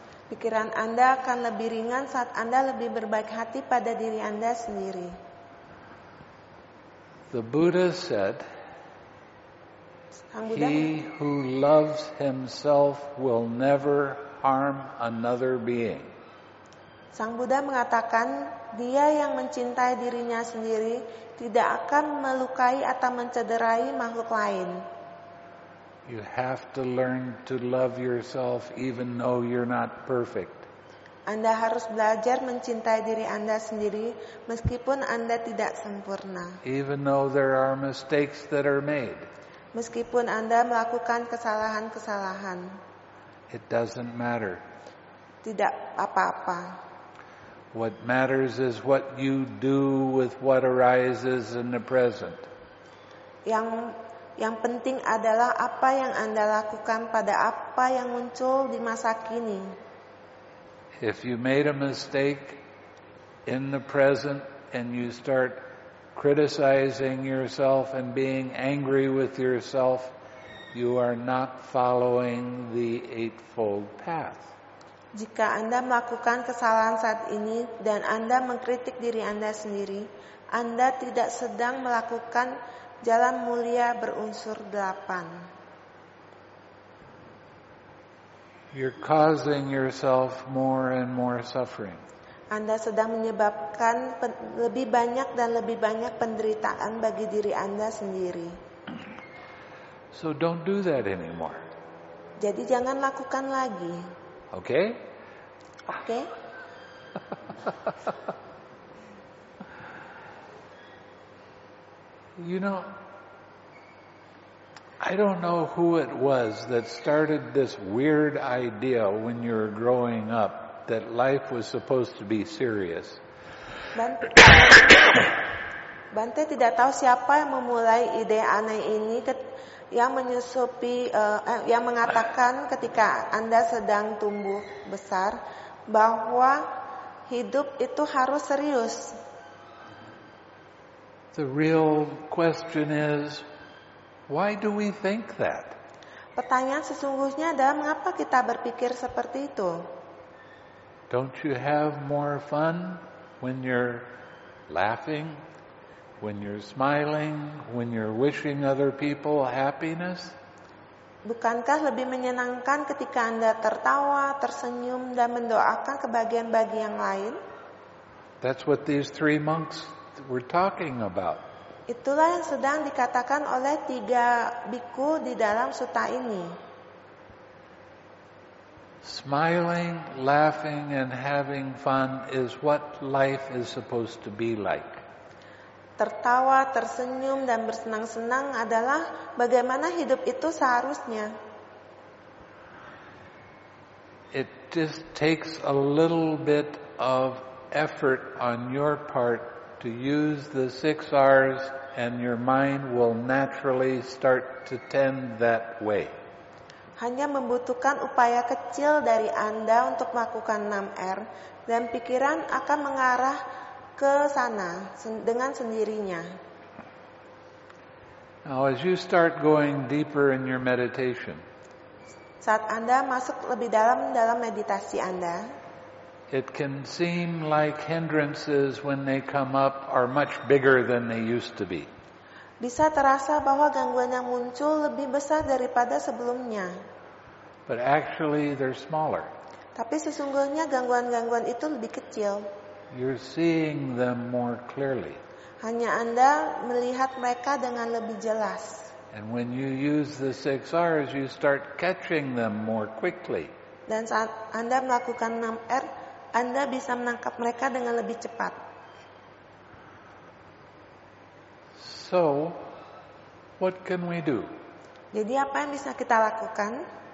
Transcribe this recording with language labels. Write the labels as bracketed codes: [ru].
[id] Pikiran Anda akan lebih ringan saat Anda lebih berbaik hati pada diri Anda sendiri. [en] The Buddha said, "He who loves himself will never harm another being." [id] Sang Buddha mengatakan, dia yang mencintai dirinya sendiri tidak akan melukai atau mencederai makhluk lain. [en] You have to learn to love yourself even though you're not perfect. [id] Anda harus belajar mencintai diri Anda sendiri meskipun Anda tidak sempurna. [en] Even though there are mistakes that are made. [id] Meskipun Anda melakukan kesalahan-kesalahan. [en] It doesn't matter. [id] Tidak apa-apa. [en] What matters is what you do with what arises in the present. [id] Yang penting adalah apa yang Anda lakukan pada apa yang muncul di masa kini. [en] If you made a mistake in the present and you start criticizing yourself and being angry with yourself, you are not following the Eightfold Path. [id] Jika Anda melakukan kesalahan saat ini dan Anda mengkritik diri Anda sendiri, Anda tidak sedang melakukan Jalan Mulia berunsur 8. [en] You're causing yourself more and more suffering. [id] Anda sedang menyebabkan lebih banyak dan lebih banyak penderitaan bagi diri Anda sendiri. [en] So don't do that anymore. [id] Jadi jangan lakukan lagi. [en] Okay? Okay? You know, I don't know who it was that started this weird idea when you were growing up that life was supposed to be serious. [id] Bante tidak tahu siapa yang memulai ide aneh ini yang menyusupi yang mengatakan ketika Anda sedang tumbuh besar bahwa hidup itu harus serius. [en] The real question is, why do we think that? [id] Pertanyaan sesungguhnya adalah mengapa kita berpikir seperti itu? [en] Don't you have more fun when you're laughing, when you're smiling, when you're wishing other people happiness? [id] Bukankah lebih menyenangkan ketika Anda tertawa, tersenyum, dan mendoakan kebahagiaan bagi yang lain? [en] That's what these three monks were talking about. [id] Itulah yang sedang dikatakan oleh tiga bhikkhu di dalam sutta ini. [en] Smiling, laughing, and having fun is what life is supposed to be like. [id] Tertawa, tersenyum, dan bersenang-senang adalah bagaimana hidup itu seharusnya. [en] It just takes a little bit of effort on your part to use the six R's and your mind will naturally start to tend that way. [id] Hanya membutuhkan upaya kecil dari Anda untuk melakukan 6R dan pikiran akan mengarah ke sana dengan sendirinya. [en] Now as you start going deeper in your meditation, [id] saat Anda masuk lebih dalam dalam meditasi Anda, [en] it can seem like hindrances when they come up are much bigger than they used to be. [id] Bisa terasa bahwa gangguan yang muncul lebih besar daripada sebelumnya. [en] But actually they're smaller. [id] Tapi sesungguhnya gangguan-gangguan itu lebih kecil. [en] You're seeing them more clearly. [id] Hanya Anda melihat mereka dengan lebih jelas. [en] And when you use the six R's, you start catching them more quickly. [id] Dan saat Anda melakukan 6R, Anda bisa menangkap mereka dengan lebih cepat. [en] So, what can we do? [id] Jadi apa yang bisa kita lakukan?